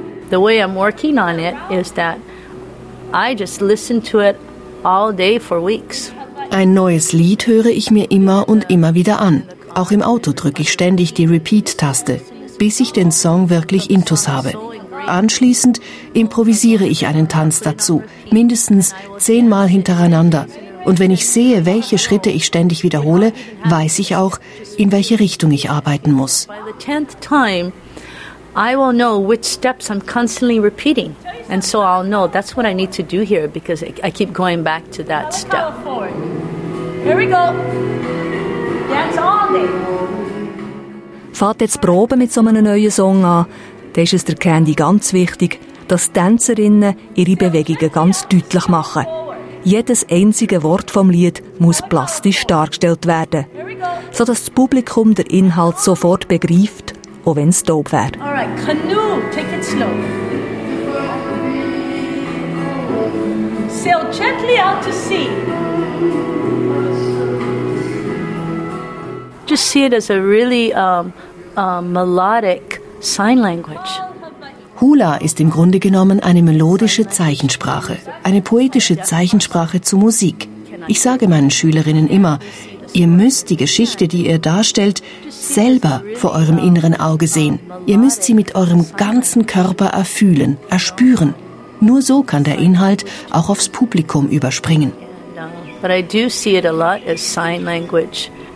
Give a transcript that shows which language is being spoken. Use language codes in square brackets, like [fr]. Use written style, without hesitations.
[en] The way I'm working on it is that I just listen to it all day for weeks. [de] Ein neues Lied höre ich mir immer und immer wieder an. Auch im Auto drücke ich ständig die Repeat-Taste, bis ich den Song wirklich intus habe. Anschließend improvisiere ich einen Tanz dazu, mindestens 10 Mal hintereinander. Und wenn ich sehe, welche Schritte ich ständig wiederhole, weiß ich auch, in welche Richtung ich arbeiten muss. [en] By the 10th time, I will know which steps I'm constantly repeating. And so I'll know that's what I need to do here, because I keep going back to that step. Here we go. [de] Fahrt jetzt Proben mit so einem neuen Song an, dann ist es der Candy ganz wichtig, dass die Tänzerinnen ihre Bewegungen ganz deutlich machen. Jedes einzige Wort vom Lied muss plastisch dargestellt werden, sodass das Publikum den Inhalt sofort begreift, auch wenn es dope wäre. [en] All right, canoe, take it slow. Sail gently out to sea. Just see it as a really melodic sign language. [de] Hula ist im Grunde genommen eine melodische Zeichensprache, eine poetische Zeichensprache zu Musik. Ich sage meinen Schülerinnen immer, ihr müsst die Geschichte, die ihr darstellt, selber vor eurem inneren Auge sehen. Ihr müsst sie mit eurem ganzen Körper erfühlen, erspüren. Nur so kann der Inhalt auch aufs Publikum überspringen. [en] But I do see it a lot as sign language.